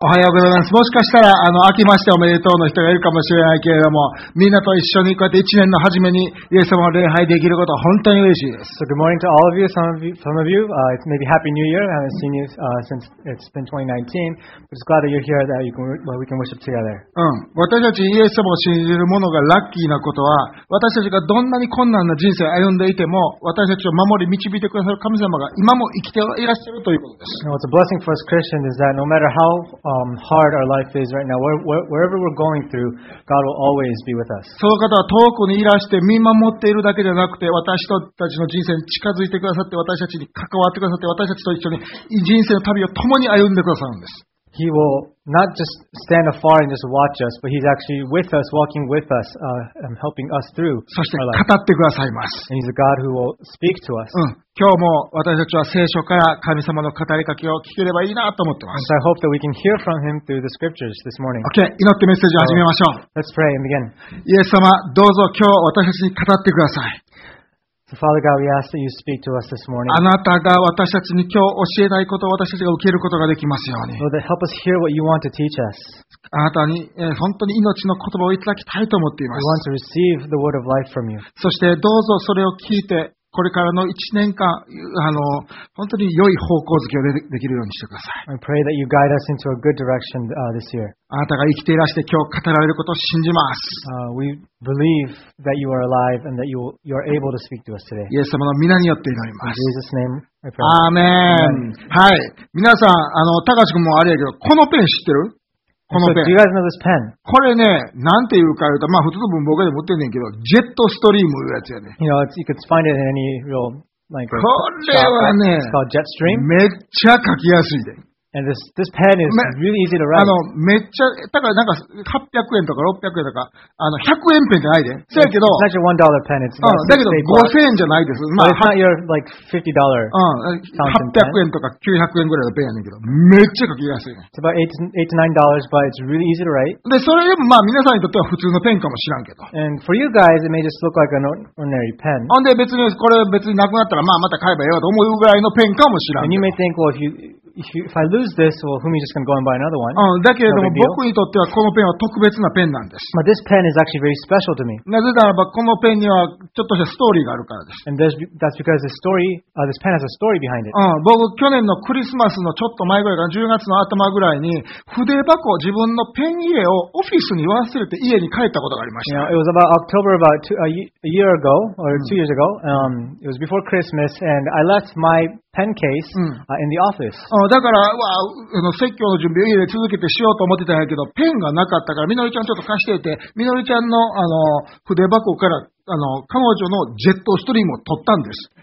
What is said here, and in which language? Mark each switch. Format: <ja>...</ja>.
<ja>おはようございます。もしかしたら、明けましておめでとうの人がいるかもしれないけれども、みんなと一緒にこうやって一年の初めにイエス様を礼拝できることは本当に嬉しいです。</ja> <en>So good morning to all of you. Some of you, it's maybe Happy New Year. I haven't seen you, since it's been 2019. But it's glad that you're here, that you can, well, we can worship together.</en> <ja>うん。私たちイエス様を信じる者がラッキーなことは、私たちがどんなに困難な人生を歩んでいても、私たちを守り導いてくださる神様が今も生きていらっしゃるということです。</ja> <en>Now, what's a blessing for us Christians is that no matter howhard our life is right now. Wherever we're going through, God will always be with us.</en> <ja>その方は遠くにいらして見守っているだけじゃなくて、私たちの人生に近づいてくださって、私たちに関わってくださって、私たちと一緒に人生の旅を共に歩んでくださるんです。</ja> <en>He will not just stand afar and just watch us, but he's actually with us, walking with us, helping us through.</en> <ja>そして語ってくださいます。</ja> <en>And he's a God who will speak to us.</en> <ja>今日も私たちは聖書から神様の語りかけを聞ければいいなと思ってます。</ja> <en>And so I hope that we can hear from him through the scriptures this morning.</en> <ja>Okay, 祈ってメッセージを始めましょう。</ja> <en>So, let's pray and begin.</en> <ja>イエス様、どうぞ今日私たちに語ってください。</ja> <en>So Father God, we ask that you speak to us this morning.</en> <ja>あなたが私たちに今日教えたいことを私たちが受けることができますように。</ja> <en>Lord, help us hear what you want to teach us.</en> <ja>あなたに、本当に命の言葉をいただきたいと思っています。</ja> <en>We want to receive the word of life from you.</en> <ja>そしてどうぞそれを聞いて、これからの1年間、本当に良い方向づけをできるようにしてください。</ja> <en>I pray that you guide us into a good direction, this year.</en> <ja>あなたが生きていらして今日語られることを信じます。</ja> <en>We believe that you are alive and that you are able to speak to us today.</en> <ja>イエス様の皆によって祈ります。</ja> <en>In Jesus' name, I pray.</en> <ja>アーメン。はい。皆さん、高橋君もあれやけど、このペン知ってる？このペン。</ja> <en>So, do you guys know this pen?</en> <ja>これね、なんていうか言うと、まあ普通の文房具で持ってんねんけど、ジェットストリームいうやつやね。</ja> <en>You know, you could find it in any real, like,</en> <ja>これはね、</ja> <en>it's called jet stream.</en> <ja>めっちゃ書きやすいで。</ja> <en>And this pen is really easy to write.</en> <ja>めっちゃ、だからなんか800円とか600円とか、100円ペンじゃないで。そうやけど、</ja> <en>it's not your $1 pen, it's not</en> <ja>だけど5000円じゃないです。</ja> <en>まあ、it's not your, like, $50.</en> <ja>800円とか900円ぐらいのペンやねんけど、めっちゃ書きやすい。</ja> <en>It's about $8 to $9, but it's really easy to write.</en> <ja>で、それでもまあ皆さんにとっては普通のペンかもしらんけど。</ja> <en>And for you guys, it may just look like an ordinary pen.</en> <ja>ほんで別に、これ別になくなったら、まあまた買えばええわと思うぐらいのペンかもしらんけど。</ja> <en>And you may think, well, if I lose this, well, who am I just going to go and buy another one?</en> <ja>だけれども、僕にとってはこのペンは特別なペンなんです。</ja> <en>But this pen is actually very special to me.</en> <ja>なぜならば、このペンにはちょっとしたストーリーがあるからです。</ja> <en>And that's because this pen has a story behind it.</en> <ja>僕、去年のクリスマスのちょっと前ぐらいかな、10月の頭ぐらいに、筆箱、自分のペン入れをオフィスに忘れて家に帰ったことがありました。</ja> <en>You know, it was about October, about two years ago. It was before Christmas, and I left my pen case, in the office.</en> <ja>だから、わあ、説教の準備を家で続けてしようと思ってたんやけど、ペンがなかったから、みのりちゃんちょっと貸していて、みのりちゃんの、筆箱から、彼女のジェットストリームを取ったんです。</ja>